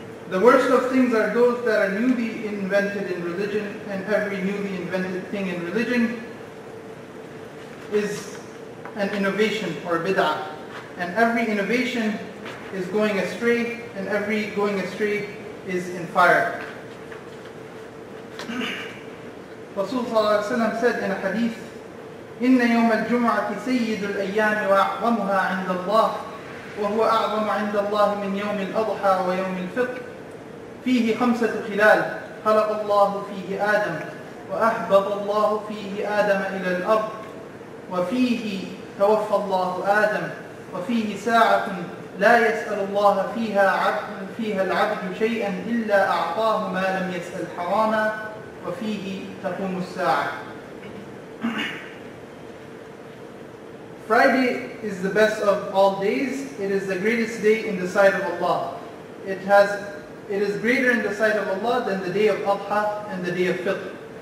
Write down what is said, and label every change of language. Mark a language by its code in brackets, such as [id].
[en] The worst of things are those that are newly invented in religion, and every newly invented thing in religion is an innovation or bid'ah. And every innovation is going astray, and every going astray is in fire. [ar] Rasul sallallahu alayhi wa sallam [en] said in a hadith, [ar] إن يوم الجمعة سيد الأيام وأعظمها عند الله وهو أعظم عند الله من يوم الأضحى ويوم الفطر فيه خمسة خلال خلق الله فيه آدم وأحبط الله فيه آدم إلى الأرض وفيه توفى الله آدم وفيه ساعة لا يسأل الله فيها عبد فيها العبد شيئا إلا أعطاه ما لم يسأل حراما وفيه تقوم الساعة. [en] Friday is the best of all days. It is the greatest day in the sight of Allah. It is greater in the sight of Allah than the day of Adha and the day of Fitr.